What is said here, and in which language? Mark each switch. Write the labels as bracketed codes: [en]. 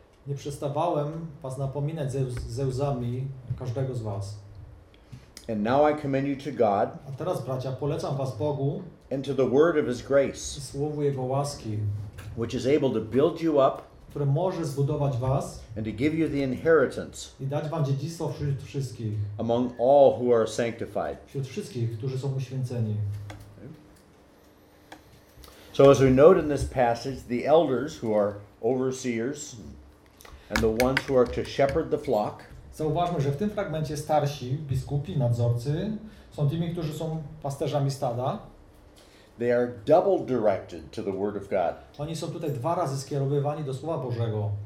[pl] Nie przestawałem was napominać ze łzami każdego z was. [en] And now I commend you to God. [pl] A teraz, bracia, polecam was Bogu. [en] And to the word of His grace. [pl] Słowu Jego łaski, [en] which is able to build you up. [pl] Które może zbudować was. [en] And to give you the inheritance. [pl] I dać wam dziedzictwo wśród wszystkich. [en] Among all who are sanctified. [pl] Wśród wszystkich, którzy są uświęceni. [en] Okay. So as we note in this passage, the elders who are overseers and the ones who are to shepherd the flock. [pl] Zauważmy, że w tym fragmencie starsi, biskupi, nadzorcy są tymi, którzy są pasterzami stada. [en] They are double directed to the word of God. [pl] Oni są tutaj 2 razy skierowywani do Słowa Bożego.